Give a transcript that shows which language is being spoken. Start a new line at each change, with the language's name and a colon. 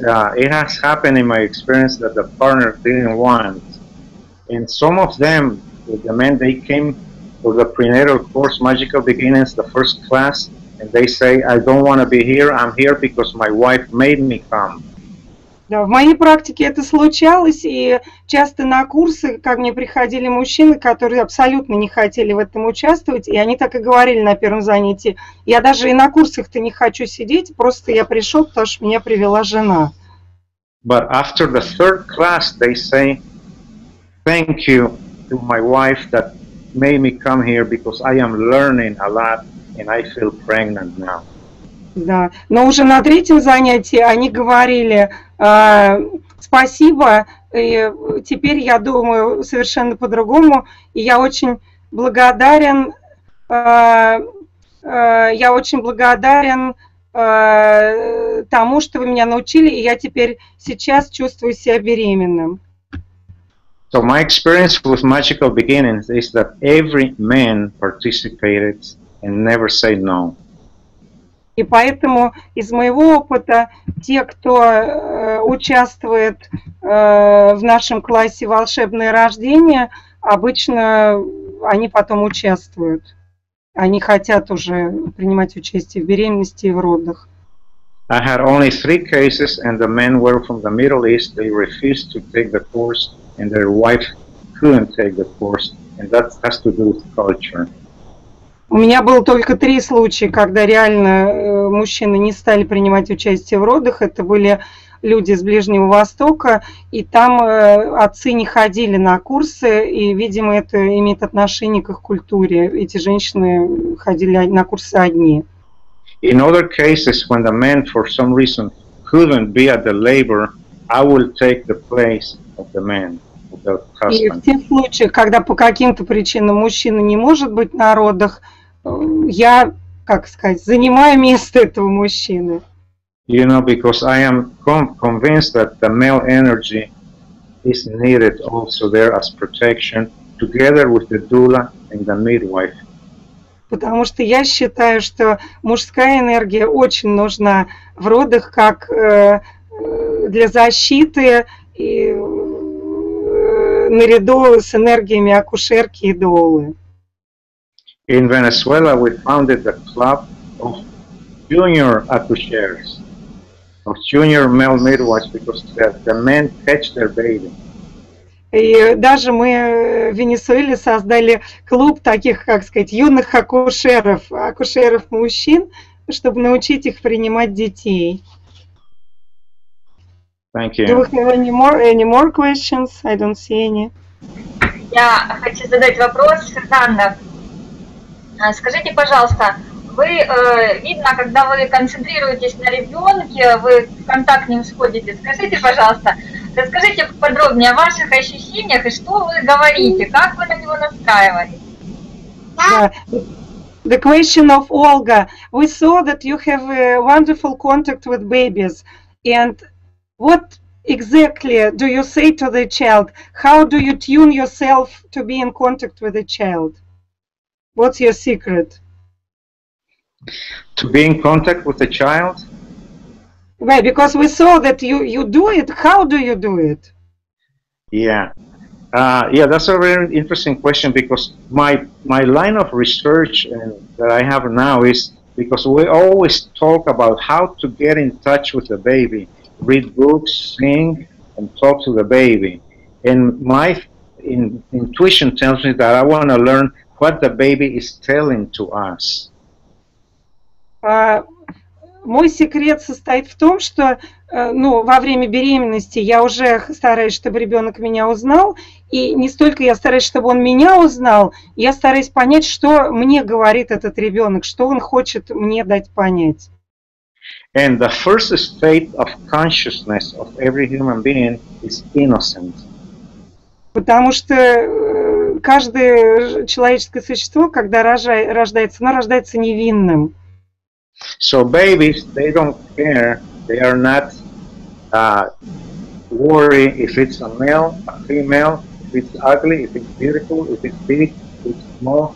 English: It has happened in my experience that the partner didn't want. And some of them, the men, they came for the prenatal course, Magical Beginnings, the first class, and they say, I don't want to be here, I'm here because my wife made me come.
Russian: Да, в моей практике это случалось, и часто на курсы ко мне приходили мужчины, которые абсолютно не хотели в этом участвовать, и они так и говорили на первом занятии, я даже и на курсах-то не хочу сидеть, просто я пришел, потому что меня привела жена.
English: But after the third class, they say, thank you to my wife that made me come here, because I am learning a lot, and I feel pregnant now.
Russian: Да, но уже на третьем занятии они говорили, спасибо, и теперь я думаю совершенно по-другому, и я очень благодарен тому, что вы меня научили, и я теперь сейчас чувствую себя беременным.
English: So my experience with Magical Beginnings is that every man participated and never said no.
Russian: И поэтому из моего опыта те, кто участвует в нашем классе «Волшебное рождение», обычно они потом участвуют. Они хотят уже принимать участие в беременности и в родах.
English: I had only three cases, and the men were from the Middle East. They refused to take the course, and their wife couldn't take the course. And that has to do with culture.
Russian: У меня было только три случая, когда реально мужчины не стали принимать участие в родах. Это были люди с Ближнего Востока, и там отцы не ходили на курсы, и, видимо, это имеет отношение к их культуре. Эти женщины ходили на курсы одни.
English: In other cases, when the man for some reason couldn't be at the labor, I will take the place of the man.
Russian: И в тех случаях, когда по каким-то причинам мужчина не может быть на родах, я, как сказать, занимаю место этого мужчины.
English: You know, because I am convinced that the male energy is needed also there as protection, together with the doula and the midwife.
Russian: Потому что я считаю, что мужская энергия очень нужна в родах, как для защиты и наряду с энергиями акушерки и доулы.
English: In Venezuela, we founded the club of junior accoucheurs, of junior male midwives, because the men catch their baby.
Russian: И даже мы в Венесуэле создали клуб таких, как сказать, юных акушеров, акушеров мужчин, чтобы научить их принимать детей.
English: Thank you. Do we have any more questions? I don't see any.
Russian: Я хочу задать вопрос, Светлана. Скажите, пожалуйста, вы видно, когда вы концентрируетесь на ребенке, вы в контакт с ним сходите. Скажите, пожалуйста, расскажите подробнее о ваших ощущениях и что вы говорите, как вы на него настраиваете?
English: The question of Olga. We saw that you have a wonderful contact with babies. And what exactly do you say to the child? How do you tune yourself to be in contact with the child? What's your secret? To be in contact with the child? Well, because we saw that you do it. How do you do it? Yeah. Yeah, that's a very interesting question, because my line of research that I have now is because we always talk about how to get in touch with the baby, read books, sing, and talk to the baby. And my intuition tells me that I want to learn what the baby is telling to us.
Russian: Мой секрет состоит в том, что во время беременности я уже стараюсь, чтобы ребенок меня узнал, и не столько я стараюсь, чтобы он меня узнал, я стараюсь понять, что мне говорит этот ребенок, что он хочет мне дать понять.
English: And the first state of consciousness of every human being is innocent.
Russian: Потому что каждое человеческое существо, когда рождается, оно рождается невинным.
English: So babies, they don't care, they are not worry if it's a male, a female, if it's ugly, if it's beautiful, if it's big, if it's small.